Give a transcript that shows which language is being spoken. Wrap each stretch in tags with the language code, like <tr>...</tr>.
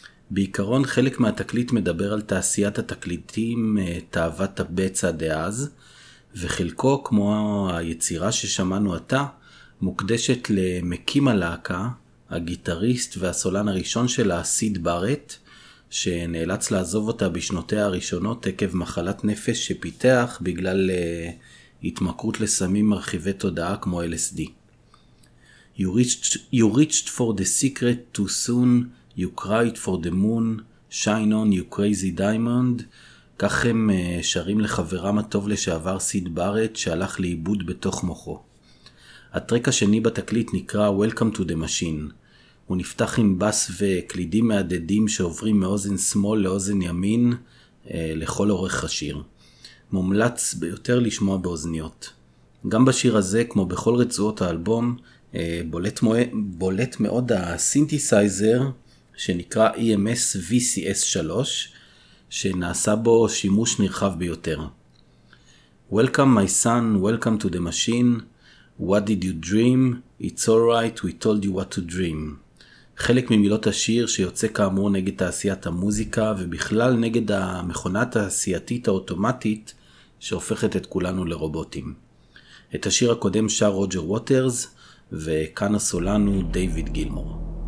<he>בעיקרון חלק מהתקליט מדבר על תעשיית התקליטים, תאוות הבצע דאז, וחלקו, כמו היצירה ששמענו עתה, מוקדשת למקים הלהקה, הגיטריסט והסולן הראשון שלה, סיד ברט, שנאלץ לעזוב אותה בשנותיה הראשונות עקב מחלת נפש שפיתח בגלל התמכרות לסמים מרחיבי תודעה כמו LSD.</he> <en>You reached for the secret too soon, you cried for the moon, shine on you crazy diamond.</en> <he>כך הם שרים לחברם הטוב לשעבר סיד ברט שהלך לאיבוד בתוך מוחו. הטרק השני בתקליט נקרא Welcome to the Machine. הוא נפתח עם בס וקלידים מהדדים שעוברים מאוזן שמאל לאוזן ימין לכל אורך השיר. מומלץ ביותר לשמוע באוזניות. גם בשיר הזה, כמו בכל רצועות האלבום, בולט מאוד הסינתיסייזר שנקרא EMS VCS3, שנעשה בו שימוש נרחב ביותר.</he> <en>Welcome my son, welcome to the machine. What did you dream? It's all right, we told you what to dream.</en> <he>חלק ממילות השיר שיוצא כאמור נגד תעשיית המוזיקה ובכלל נגד המכונת התעשייתית האוטומטית שהופכת את כולנו לרובוטים. את השיר הקודם שר רוג'ר ווטרס וכאן הסולן הוא דייוויד גילמור.</he>